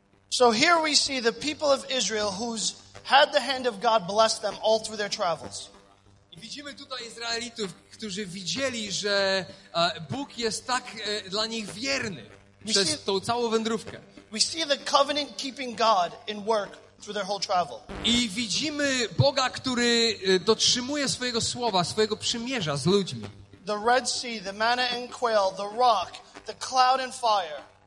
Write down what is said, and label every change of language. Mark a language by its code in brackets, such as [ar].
[en] So here we see the people of Israel who's had the hand of God bless them all through their travels. [pl] I widzimy tutaj Izraelitów, którzy widzieli, że Bóg jest tak dla nich wierny przez tą całą wędrówkę. [en] We see the covenant-keeping God in work through their whole travel. [pl] I widzimy Boga, który dotrzymuje swojego słowa, swojego przymierza z ludźmi. [en] The Red Sea, the manna and quail, the rock, the cloud and fire.